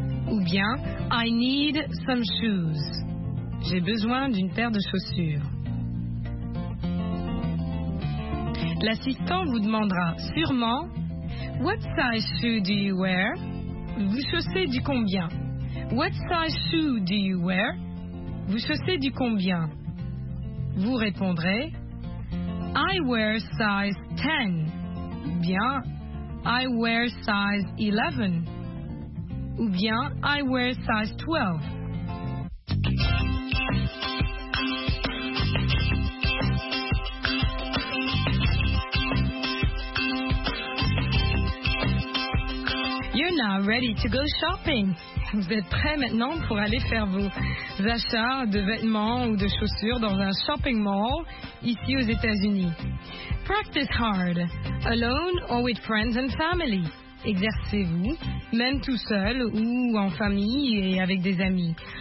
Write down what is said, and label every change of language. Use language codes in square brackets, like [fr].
[fr] Ou bien, [en] I need some shoes. [fr] J'ai besoin d'une paire de chaussures. L'assistant vous demandera sûrement, [en] what size shoe do you wear? [fr] Vous chaussez du combien? [en] What size shoe do you wear? [fr] Vous chaussez du combien? Vous répondrez, [en] I wear size 10. [fr] Ou bien, [en] I wear size 11. [fr] Ou bien, [en] I wear size 12. Ready to go shopping. [fr] Vous êtes prêts maintenant pour aller faire vos achats de vêtements ou de chaussures dans un shopping mall ici aux États-Unis. [en] Practice hard, alone or with friends and family. [fr] Exercez-vous, même tout seul ou en famille et avec des amis.